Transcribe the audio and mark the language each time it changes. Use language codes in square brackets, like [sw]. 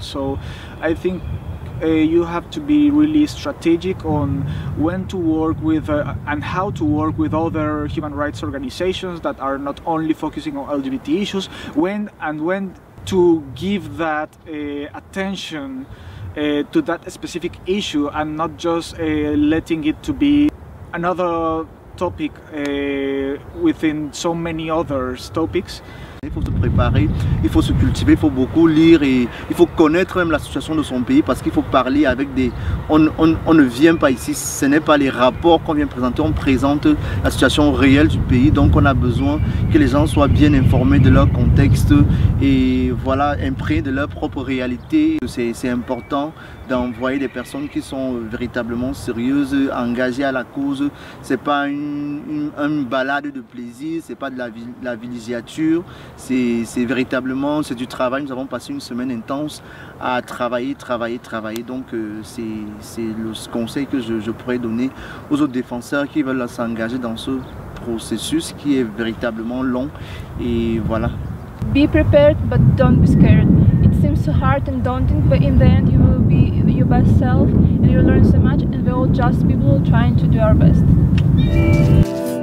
[en] So I think you have to be really strategic on when to work with and how to work with other human rights organizations that are not only focusing on LGBT issues, when to give that attention to that specific issue, and not just letting it to be another topic within so many other topics. [fr] Il faut se préparer, il faut se cultiver, il faut beaucoup lire et il faut connaître même la situation de son pays parce qu'il faut parler avec des... On ne vient pas ici, ce n'est pas les rapports qu'on vient présenter, on présente la situation réelle du pays. Donc on a besoin que les gens soient bien informés de leur contexte et voilà, imprégnés de leur propre réalité. C'est important d'envoyer des personnes qui sont véritablement sérieuses, engagées à la cause. Ce n'est pas une balade de plaisir, ce n'est pas de la villégiature. C'est véritablement c'est du travail. Nous avons passé une semaine intense à travailler. Donc c'est le conseil que je pourrais donner aux autres défenseurs qui veulent s'engager dans ce processus qui est véritablement long. Et voilà. [en] Be prepared, but don't be scared. It seems so hard and daunting, but in the end you will be your best self and you'll learn so much, and we're all just people trying to do our best.